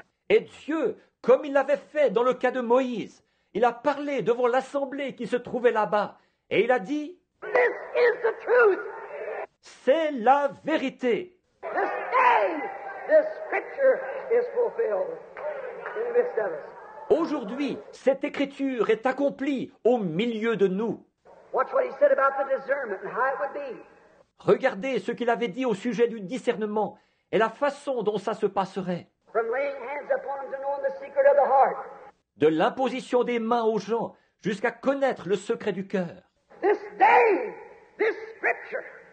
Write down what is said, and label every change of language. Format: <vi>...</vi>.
<fr>Et Dieu, comme il l'avait fait dans le cas de Moïse, il a parlé devant l'assemblée qui se trouvait là-bas, et il a dit,</fr> <en>this is the truth.</en> <fr>C'est la vérité.</fr> <en>This day, this scripture is fulfilled in the midst of us.</en> <fr>Aujourd'hui, cette écriture est accomplie au milieu de nous.</fr> <en>Watch what he said about the discernment and how it would be.</en> <fr>Regardez ce qu'il avait dit au sujet du discernement et la façon dont ça se passerait.</fr> <en>From laying hands upon them to knowing the secret of the heart.</en> <fr>De l'imposition des mains aux gens jusqu'à connaître le secret du cœur.</fr> <en>This day, this scripture.</en>